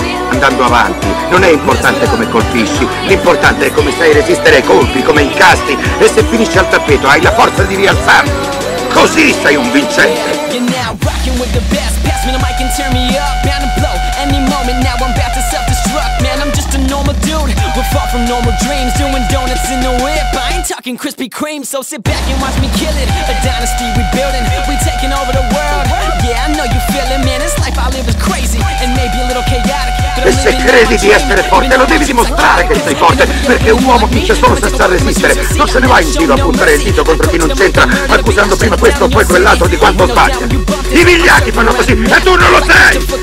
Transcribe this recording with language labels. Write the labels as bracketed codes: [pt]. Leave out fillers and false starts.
[it] Andando avanti, non è importante come colpisci, l'importante è come sai resistere ai colpi, come incasti, e se finisci al tappeto hai la forza di rialzarti. Così sei un vincente. [en] With the best, pass me the mic and turn me up. Bound to blow any moment now. I'm about to self-destruct. Man, I'm just a normal dude. We're far from normal dreams. Doing donuts in the whip. I ain't talking Krispy Kreme. So sit back and watch me kill it. A dynasty we building. We taking over the world. Yeah, I know you feel it, man. This life I live is crazy and maybe a little chaotic. [it] E se credi di essere forte, lo devi dimostrare che sei forte, perché un uomo vince solo se sa resistere. Non se ne va in giro a puntare il dito contro chi non c'entra, accusando prima questo o poi quell'altro di quanto sbaglia. I vigliacchi fanno così e tu non lo sei!